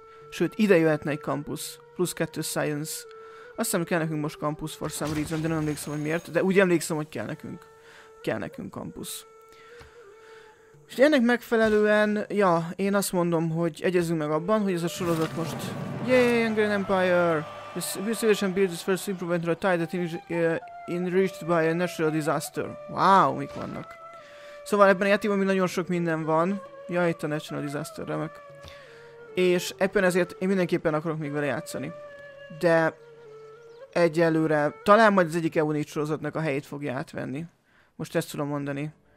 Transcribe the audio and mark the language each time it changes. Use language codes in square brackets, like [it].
[hu] Sőt, ide jöhetne egy kampusz. Plusz 2 science. Azt hiszem, hogy kell nekünk most kampusz for some reason, de nem emlékszem, hogy miért. De úgy emlékszem, hogy kell nekünk kampusz. És ennek megfelelően, ja, én azt mondom, hogy egyezünk meg abban, hogy ez a sorozat most... [en] Yay, Angry Empire! Szívesen build this first improvement to a tide that is enriched by a natural disaster. [hu] Wow, mik vannak. Szóval ebben a játékban még nagyon sok minden van. Ja, itt a natural disaster, remek. És ebben ezért én mindenképpen akarok még vele játszani. De egyelőre, talán majd az egyik Eunice sorozatnak a helyét fogja átvenni. Most ezt tudom mondani.